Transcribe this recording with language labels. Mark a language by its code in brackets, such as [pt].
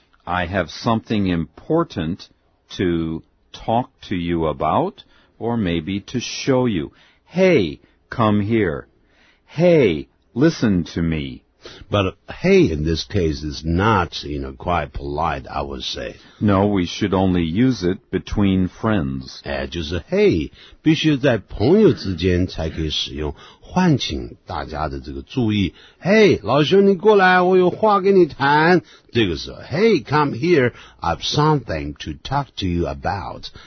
[en] I have something important to talk to you about, or maybe to show you. Hey,Come here. Hey, listen to me. But hey in this case is not, you know, quite polite, I would say. No, we should only use it between friends. [zh] 就是 hey, 必须在朋友之间才可以使用唤请大家的这个注意。 Hey, 老兄你过来我有话跟你谈。这个时候 [en] hey, come here, I've something to talk to you about.